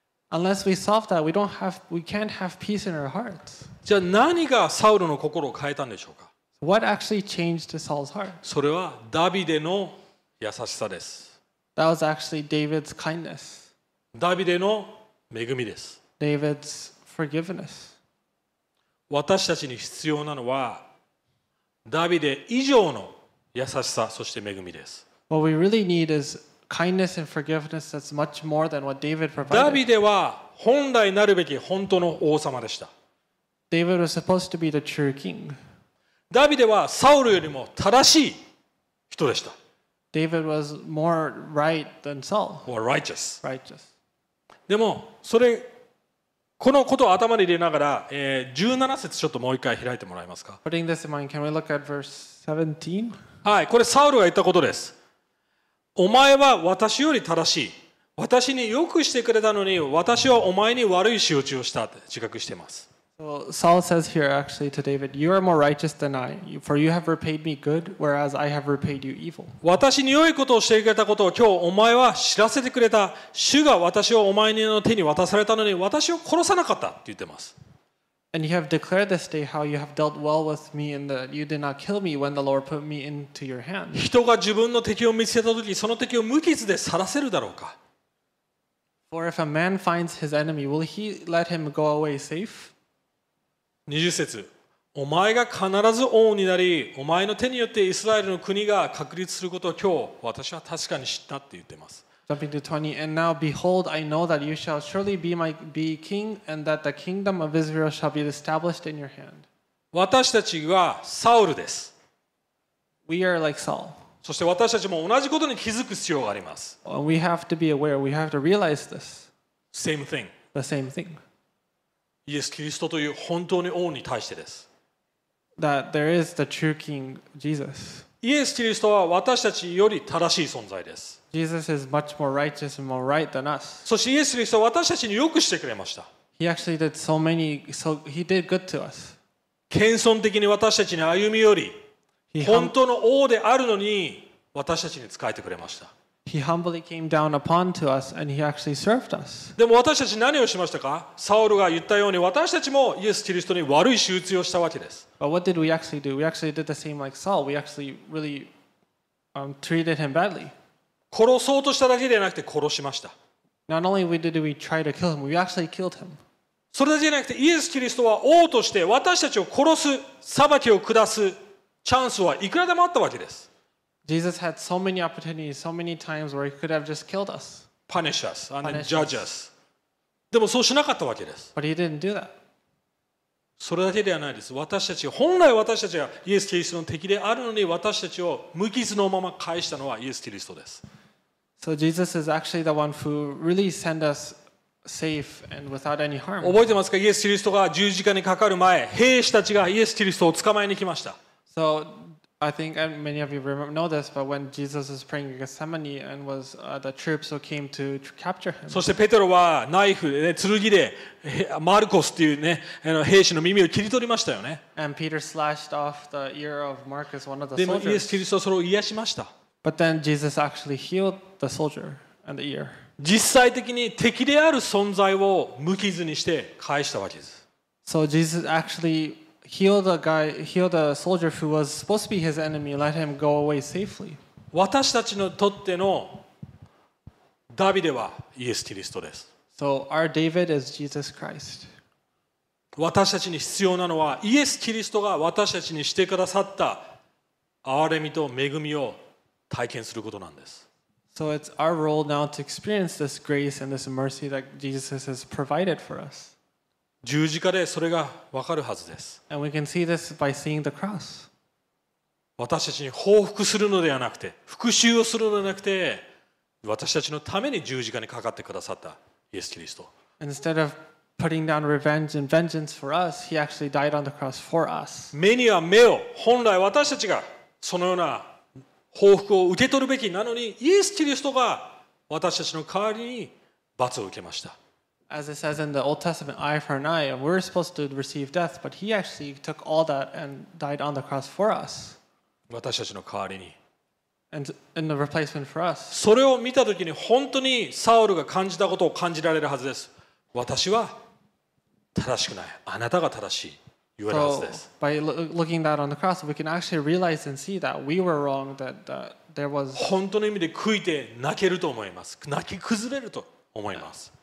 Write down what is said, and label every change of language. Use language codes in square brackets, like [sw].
[en] Unless we solve that, we can't have peace in our hearts. [ja] じゃあ何がサウルの心を変えたんでしょうか。 [en] What actually changed Saul's heart? [ja] それはダビデの優しさです。 [en] That was actually David's kindness. [ja] ダビデの恵みです。 [en] David's forgiveness. [ja] 私たちに必要なのはダビデ以上の優しさそして恵みです。 [en] What we really need is kindness and forgiveness that's much more than what David provided. [ja] ダビデは本来なるべき本当の王様でした。 [en] David was supposed to be the true king. [ja] ダビデはサウルよりも正しい人でした。 [en] David was more right than Saul. Or righteous. Righteous. [ja] でもそれこのことを頭に入れながら、17節ちょっともう一回開いてもらえますか。 [en] Putting this in mind, can we look at verse 17? [ja] はい、これサウルが言ったことです。お前は私より正しい。私によくしてくれたのに、私はお前に悪い仕打ちをしたと自覚しています。 [en] So, Saul says here actually to David, you are more righteous than I, for you have repaid me good, whereas I have repaid you evil. [ja] 私に良いことをしてくれたことを今日お前は知らせてくれた。主が私をお前の手に渡されたのに、私を殺さなかったと言っています。 [en] And you have declared this day how you have dealt well with me and that you did not kill me when the Lord put me into your hand. [ja] 人が自分の敵を見つけたとき、その敵を無傷で去らせるだろうか。 [en] For if a man finds his enemy, will he let him go away safe? [ja] 20節、お前が必ず王になり、お前の手によってイスラエルの国が確立することを今日私は確かに知ったって言ってます。 [en] Jumping to 20, and now behold, I know that you shall surely be king, and that the kingdom of Israel shall be established in your hand. [ja] 私たちはサウルです。 [en] We are like Saul. [ja] そして私たちも同じことに気づく必要があります。 [en] We have to be aware. We have to realize this. Same thing. The same thing. [ja] イエス・キリストという本当に王に対してです。 [en] That there is the true King, Jesus. [ja] イエス・キリストは私たちより正しい存在です。 [en] Jesus is much more righteous and more right than us. [ja] そしてイエス・キリストは私たちによくしてくれました。 [en] He actually did so many, so he did good to us. [ja] 謙遜的に私たちに歩み寄り、本当の王であるのに私たちに仕えてくれました。 [en] He humbly came down upon to us and he actually served us. [ja] でも私たち何をしましたか？サウルが言ったように私たちもイエス・キリストに悪い仕打ちをしたわけです。 [en] But what did we actually do? We actually did the same like Saul. We actually really treated him badly. [ja] 殺そうとしただけでなくて殺しました。 [en] Not only did we try to kill him, we actually killed him. [ja] それだけじゃなくてイエス・キリストは王として私たちを殺す、裁きを下すチャンスはいくらでもあったわけです。 [en] Jesus had so many opportunities, so many times where he could have just killed us. Punish us and then judge us. [ja] でもそうしなかったわけです。 [en] But he didn't do that. [ja] それだけではないです。私たち、本来私たちがイエス・キリストの敵であるのに私たちを無傷のまま返したのはイエス・キリストです。 [en] So Jesus is actually the one who really sent us safe and without any harm. [ja] 覚えてますか？イエス・キリストが十字架にかかる前、兵士たちがイエス・キリストを捕まえに来ました。 [en] So,I think many of you know this, but when Jesus was praying in Gethsemane and was the troops who came to capture him. [ja] そしてペテロはナイフ、剣でマルコスっていうね、兵士の耳を切り取りましたよね。 [en] And Peter slashed off the ear of Marcus, one of the soldiers. [ja] でもイエス・キリストはそれを癒しました。 [en] But then Jesus actually healed the soldier and the ear. [ja] 実際的に敵である存在を無傷にして返したわけです。 [en] So Jesus actually healed a soldier who was supposed to be his enemy, let him go away safely. [ja] 私たちにとってのダビデはイエス・キリストです。 [en] So our David is Jesus Christ. [ja] 私たちに必要なのはイエス・キリストが私たちにしてくださった憐れみと恵みを体験することなんです。 [en] So it's our role now to experience this grace and this mercy that Jesus has provided for us. [ja] 十字架でそれが分かるはずです。 [en] And we can see this by seeing the cross. [ja] 私たちに報復するのではなくて、復讐をするのではなくて、私たちのために十字架にかかってくださったイエス・キリスト。 [en] Instead of putting down revenge and vengeance for us, he actually died on the cross for us. [ja] 目には目を、本来私たちがそのような報復を受け取るべきなのにイエス・キリストが私たちの代わりに罰を受けました。 [en] As it says in the Old Testament, eye for an eye, we're supposed to receive death, but he actually took all that and died on the cross for us. [ja] 私たちの代わりに。 [en] And in the replacement for us. [ja] それを見たときに本当にサウルが感じたことを感じられるはずです。私は正しくない。あなたが正しい。言われるはずです。 [en] So, by looking that on the cross, we can actually realize and see that we were wrong, that, that there was. [ja] 本当の意味で悔いて泣けると思います。泣き崩れると思います。